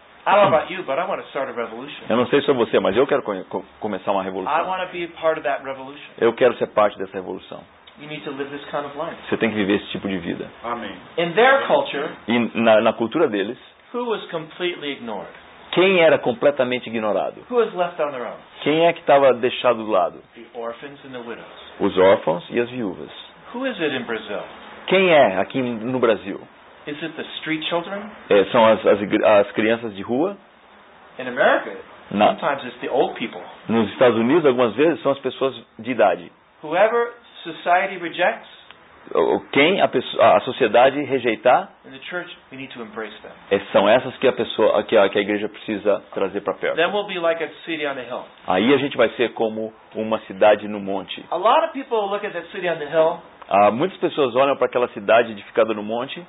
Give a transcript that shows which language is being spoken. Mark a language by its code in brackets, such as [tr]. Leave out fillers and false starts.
[en] I don't know about you, but I want to start a revolution. [pt] Eu não sei sobre você, mas eu quero começar uma revolução. [en] I want to be part of that revolution. [pt] Eu quero ser parte dessa revolução. [en] You need to live this kind of life. [pt] Você tem que viver esse tipo de vida. [en] Amém. In their culture, [pt] e na cultura deles, [en] who was completely ignored? [pt] Quem era completamente ignorado? [en] Who was left on their own? [pt] Quem é que estava deixado do lado? [en] The orphans and the widows. [pt] Os órfãos e as viúvas. [en] Who is it in Brazil? [pt] Quem é aqui no Brasil? [en] Is it the street children? [pt] É, são as crianças de rua? [en] In America, sometimes it's the old people. [pt] Nos Estados Unidos, algumas vezes, são as pessoas de idade. [en] Whoever society rejects, [pt] quem a sociedade rejeitar, [en] the church, we need to embrace them. [pt] São essas que a igreja precisa trazer para perto. [en] Then we'll be like a city on a hill. [pt] Aí a gente vai ser como uma cidade no monte. [en] A lot of people look at that city on the hill. [pt] Muitas pessoas olham para aquela cidade edificada no monte.